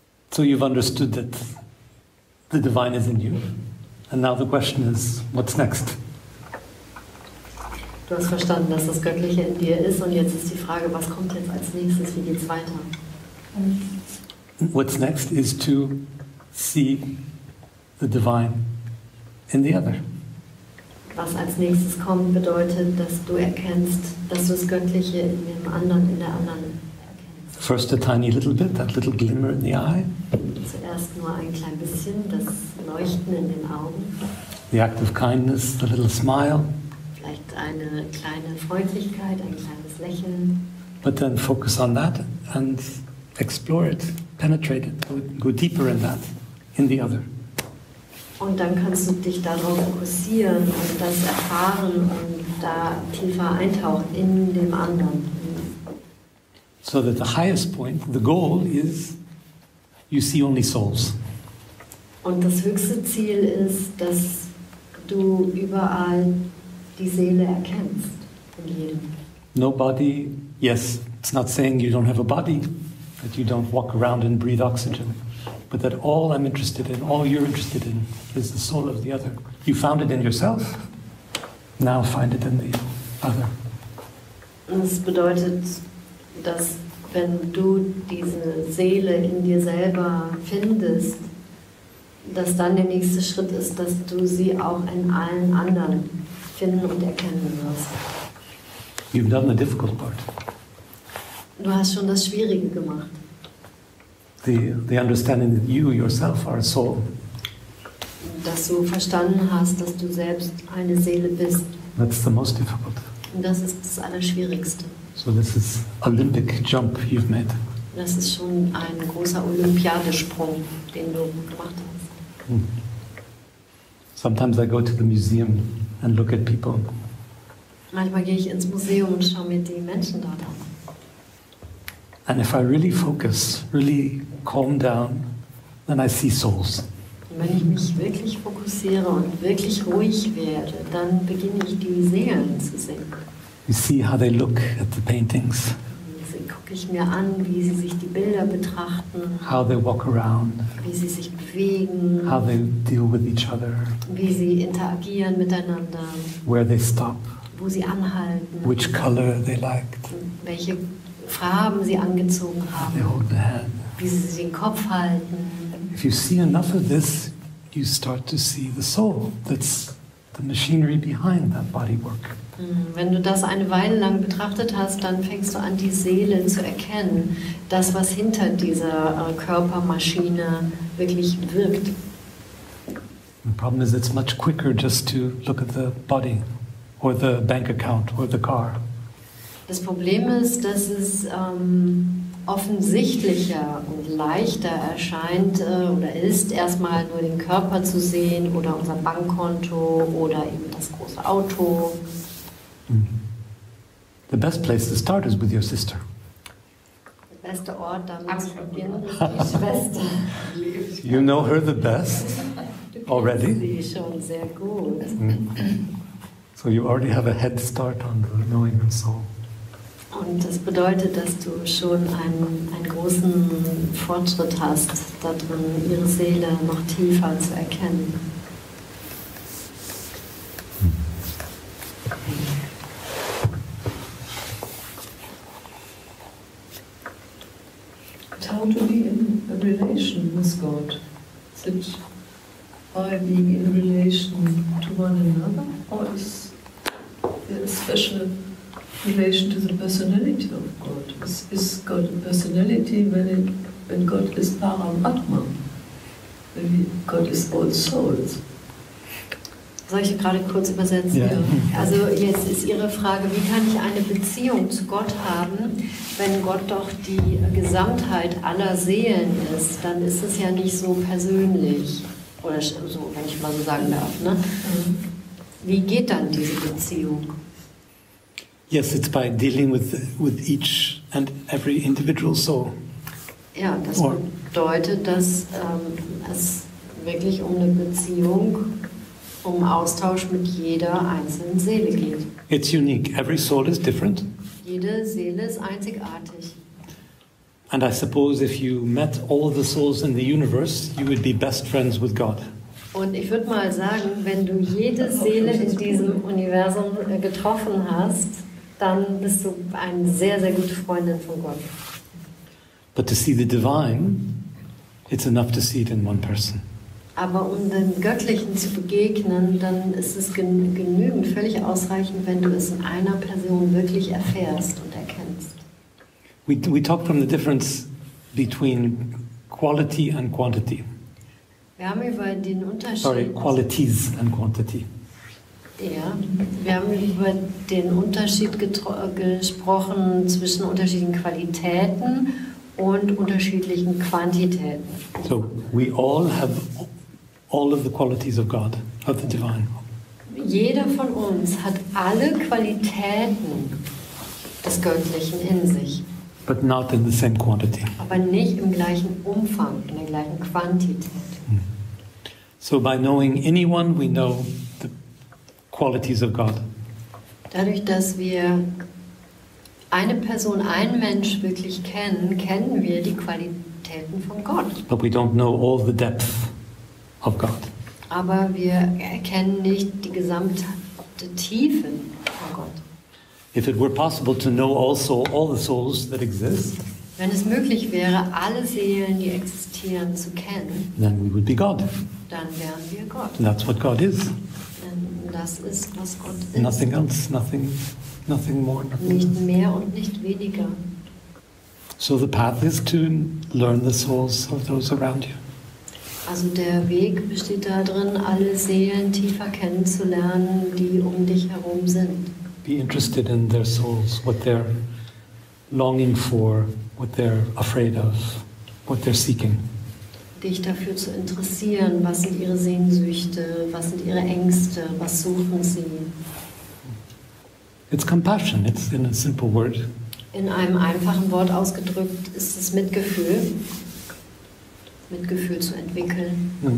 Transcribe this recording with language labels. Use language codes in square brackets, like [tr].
[en] So you've understood that the divine is in you. And now the question is, what's next? [de] Du hast verstanden, dass das Göttliche in dir ist, und jetzt ist die Frage, was kommt jetzt als nächstes, wie geht's weiter? [en] What's next is to see the divine in the other. [de] Was als nächstes kommt, bedeutet, dass du erkennst, dass du das Göttliche in dem anderen, in der anderen erkennst. [en] First a tiny little bit, that little glimmer in the eye. [de] Zuerst nur ein klein bisschen, das Leuchten in den Augen. [en] The act of kindness, the little smile. [de] Vielleicht eine kleine Freundlichkeit, ein kleines Lächeln. [en] But then focus on that and explore it, penetrate it, go deeper in that, in the other. [de] Und dann kannst du dich darauf fokussieren und das erfahren und da tiefer eintauchen in dem anderen. [en] So that the highest point, the goal is, you see only souls. [de] Und das höchste Ziel ist, dass du überall die Seele erkennst, in jedem. [en] No body, yes, it's not saying you don't have a body, that you don't walk around and breathe oxygen. But that all I'm interested in, all you're interested in, is the soul of the other. You found it in yourself, now find it in the other. [de] Das bedeutet, dass wenn du diese Seele in dir selber findest, dass dann der nächste Schritt ist, dass du sie auch in allen anderen finden und erkennen wirst. [en] You've done the difficult part. [de] Du hast schon das Schwierige gemacht. [en] The understanding that you yourself are a soul. [de] Dass du verstanden hast, dass du selbst eine Seele bist. [en] That's the most difficult. [de] Das ist das Allerschwierigste. [en] So this is Olympic jump you've made. [de] Das ist schon ein großer Olympiadesprung, den du gemacht hast. [en] Sometimes I go to the museum and look at people. [de] Manchmal gehe ich ins Museum und schaue mir die Menschen dort an. [en] And if I really focus, really calm down, then I see souls. [de] Wenn ich mich wirklich fokussiere und wirklich ruhig werde, dann beginne ich die Seelen zu sehen. [en] You see how they look at the paintings. [de] Also gucke ich mir an, wie sie sich die Bilder betrachten. [en] How they walk around. [de] Wie sie sich bewegen. [en] How they deal with each other. [de] Wie sie interagieren miteinander. [en] Where they stop. [de] Wo sie anhalten. [en] Which color they liked. [de] Welche Farben sie angezogen haben, wie sie den Kopf halten. [en] If you see enough of this, you start to see the soul. That's the machinery behind that bodywork. [de] Wenn du das eine Weile lang betrachtet hast, dann fängst du an, die Seele zu erkennen, das, was hinter dieser Körpermaschine wirklich wirkt. [en] The problem is, it's much quicker just to look at the body, or the bank account, or the car. [de] Das Problem ist, dass es offensichtlicher und leichter erscheint oder ist, erstmal nur den Körper zu sehen oder unser Bankkonto oder eben das große Auto. [en] The best place to start is with your sister. [de] Der beste Ort, damit zu beginnen, ist die Schwester. [en] You know her the best already. [de] Sie ist schon sehr gut. [en] So you already have a head start on the knowing and soul. [de] Und das bedeutet, dass du schon einen großen Fortschritt hast, darin ihre Seele noch tiefer zu erkennen. [en] But how to be in a relation with God? Is it by being in relation to one another? Or is there a special relation to the personality of God? Is God a personality when God is Paramatma? Maybe God is all souls. [de] Soll ich gerade kurz übersetzen? [en] Yeah. [de] Also jetzt ist Ihre Frage, wie kann ich eine Beziehung zu Gott haben, wenn Gott doch die Gesamtheit aller Seelen ist? Dann ist es ja nicht so persönlich, oder so, wenn ich mal so sagen darf. Ne? Wie geht dann diese Beziehung? [en] Yes, it's by dealing with each and every individual soul. [de] Ja, das bedeutet, dass es wirklich um eine Beziehung, um Austausch mit jeder einzelnen Seele geht. [en] It's unique. Every soul is different. [de] Jede Seele ist einzigartig. [en] And I suppose if you met all the souls in the universe, you would be best friends with God. [de] Und ich würde mal sagen, wenn du jede Seele in diesem Universum getroffen hast, dann bist du eine sehr, sehr gute Freundin von Gott. [en] But to see the divine, it's enough to see it in one person. [de] Aber um dem Göttlichen zu begegnen, dann ist es genügend, völlig ausreichend, wenn du es in einer Person wirklich erfährst und erkennst. [en] We talk from the difference between quality and quantity. [de] Wir haben über den Unterschied. [en] Sorry, qualities and quantity. [de] Ja, wir haben über den Unterschied gesprochen zwischen unterschiedlichen Qualitäten und unterschiedlichen Quantitäten. [en] So, we all have all of the qualities of God, of the divine. [de] Jeder von uns hat alle Qualitäten des Göttlichen in sich. [en] But not in the same quantity. [de] Aber nicht im gleichen Umfang, in der gleichen Quantität. [en] So by knowing anyone, we know the qualities of God. [de] Dadurch, dass wir eine Person, einen Mensch wirklich kennen, kennen wir die Qualitäten von Gott. [en] But we don't know all the depth of God. [de] Aber wir erkennen nicht die gesamte Tiefe von Gott. [en] If it were possible to know also all the souls that exist, [de] wenn es möglich wäre, alle Seelen, die existieren, zu kennen, [en] then we would be God. [de] Dann wären wir Gott. [en] And that's what God is. [de] Und das ist, was Gott ist. [en] Nothing else, nothing more. Nothing [de] nicht mehr und nicht weniger. [en] So the path is to learn the souls of those around you. [de] Also der Weg besteht darin, alle Seelen tiefer kennenzulernen, die um dich herum sind. [en] Be interested in their souls, what they're longing for, what they're afraid of, what they're seeking. [de] Dich dafür zu interessieren, was sind ihre Sehnsüchte, was sind ihre Ängste, was suchen sie? [en] It's compassion, it's in a simple word. [de] In einem einfachen Wort ausgedrückt ist es Mitgefühl. Mitgefühl zu entwickeln.